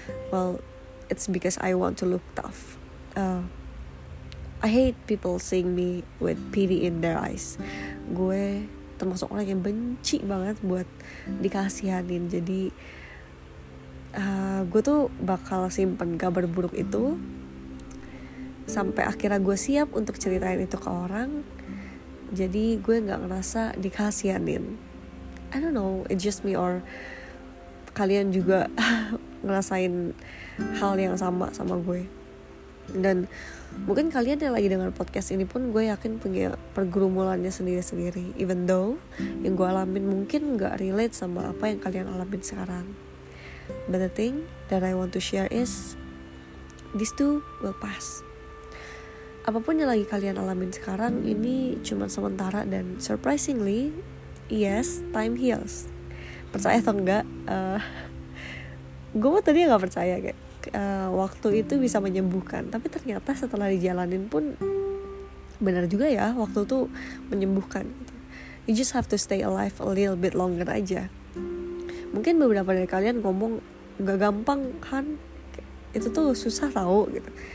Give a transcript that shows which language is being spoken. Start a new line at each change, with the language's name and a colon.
English: Well, it's because I want to look tough. I hate people seeing me with pity in their eyes.
Indonesian: Gue termasuk orang yang benci banget buat dikasihanin. Jadi gue tuh bakal simpen kabar buruk itu sampai akhirnya gue siap untuk ceritain itu ke orang. Jadi gue gak ngerasa dikasihanin.
English: I don't know, it's just me
Indonesian: or kalian juga ngerasain hal yang sama gue. Dan mungkin kalian yang lagi dengar podcast ini pun, gue yakin punya pergumulannya sendiri-sendiri.
English: Even though
Indonesian: yang gue alamin mungkin gak relate sama apa yang kalian alamin sekarang,
English: but the thing that I want to share is this too will pass.
Indonesian: Apapun yang lagi kalian alamin sekarang, ini cuma sementara, dan
English: surprisingly, yes, time heals.
Indonesian: Percaya atau enggak, gue tadi gak percaya kayak waktu itu bisa menyembuhkan, tapi ternyata setelah dijalanin pun benar juga ya, waktu tuh menyembuhkan.
English: You just have to stay alive a little bit longer aja.
Indonesian: Mungkin beberapa dari kalian ngomong gak gampang kan, itu tuh susah tau gitu.